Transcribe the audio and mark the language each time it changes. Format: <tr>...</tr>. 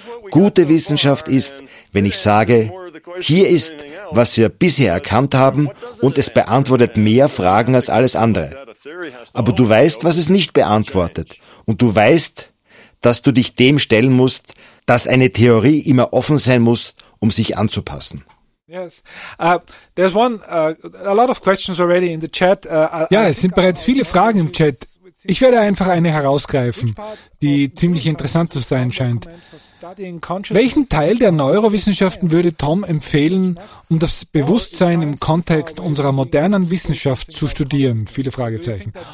<de>Gute Wissenschaft ist, wenn ich sage, hier ist, was wir bisher erkannt haben, und es beantwortet mehr Fragen als alles andere. Aber du weißt, was es nicht beantwortet. Und du weißt, dass du dich dem stellen musst, dass eine Theorie immer offen sein muss, um sich anzupassen.</de> <en>Yes. There's one, a lot of questions already in the chat.</en> <de>Ja, es sind bereits viele Fragen im Chat. Ich werde einfach eine herausgreifen, die ziemlich interessant zu sein scheint. Welchen Teil der Neurowissenschaften würde Tom empfehlen, um das Bewusstsein im Kontext unserer modernen Wissenschaft zu studieren? Viele Fragezeichen.</de>